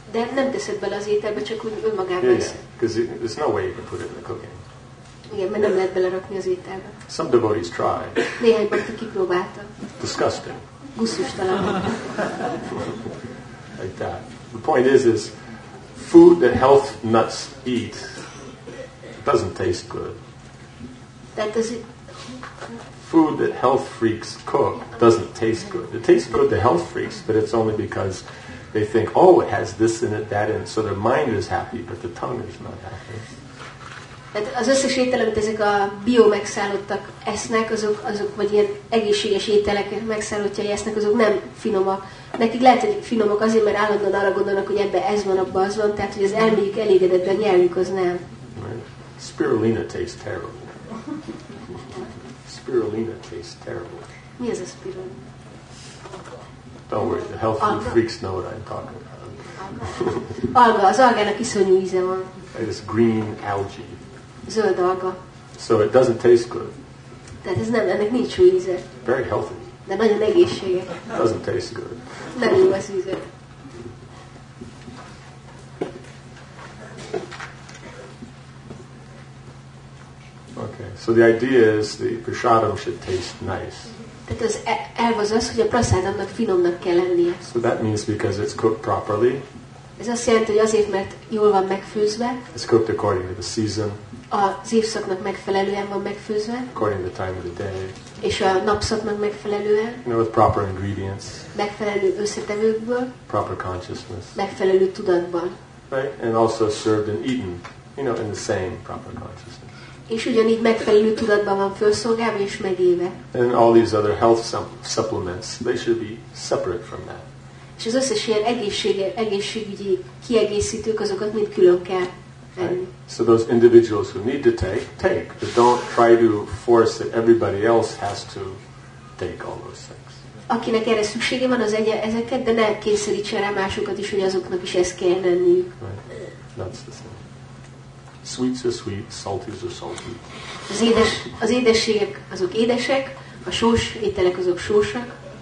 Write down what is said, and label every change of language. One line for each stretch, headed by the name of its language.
Hungarian: De nem teszed bele az ételbe, csak úgy önmagában.
English: Yeah, yeah. Because there's no way you can put it in the cooking.
Hungarian: Igen, mert nem lehet belerakni az ételbe.
English: Some devotees try.
Hungarian: Néhány bakti kipróbálta.
English: Disgusting.
Hungarian: Gusztustalan.
English: Like that. The point is. Food that health nuts eat doesn't taste good. That does it. Food that health freaks cook doesn't taste good. It tastes good to health freaks, but it's only because they think, oh, it has this in it, that in it. So their mind is happy, but the tongue is not happy.
Hungarian: Tehát az összes étel, amit ezek a bio megszállottak esznek, azok vagy ilyen egészséges ételek megszállottjai esznek, azok nem finomak. Nekik lehet, hogy finomak azért, mert állandóan arra gondolnak, hogy ebben ez van, abban az van, tehát hogy az elméjük elégedett, de a nyelvük az nem.
English: Spirulina tastes terrible. Spirulina tastes terrible.
Hungarian: Mi ez a spirulina?
English: Don't worry, the healthy alga. Freaks know what I'm talking about.
Hungarian: Alga, az algának iszonyú íze van.
English: It's green algae.
Hungarian: Zöld alga.
English: So it doesn't taste good.
Hungarian: Tehát ez nem, ennek nincs jó íze.
English: Very healthy.
Hungarian: De nagyon egészséges.
English: Doesn't taste good.
Hungarian: Nem jó az íze.
English: Okay, so the idea is the prasadam should taste nice.
Hungarian: Tehát az elv az, hogy a prasadamnak finomnak kell lennie.
English: So that means because it's cooked properly.
Hungarian: Ez azt jelenti, hogy azért, mert jól van megfőzve.
English: It's cooked according to the season.
Hungarian: Az évszaknak megfelelően van megfőzve.
English: According to the time of the day.
Hungarian: És a napszaknak megfelelően.
English: You know, with proper ingredients.
Hungarian: Megfelelő összetevőkből.
English: Proper consciousness.
Hungarian: Megfelelő tudatban.
English: right? And also served and eaten, you know, in the same proper consciousness.
Hungarian: És ugyanígy megfelelő tudatban van felszolgálva és megéve.
English: And all these other health supplements, they should be separate from that.
Hungarian: És az összes ilyen egészségügyi kiegészítők, azokat mind külön kell venni.
English: So those individuals who need to take, but don't try to force that everybody else has to take all those things.
Hungarian: Akinek erre szüksége van, az egy ezeket, de ne kényszerítse rá másokat is, hogy azoknak is ezt kell lenni.
English: That's the thing. Sweets are sweet, salties are salty.
Hungarian: Az édességek azok édesek, a sós ételek azok sósak.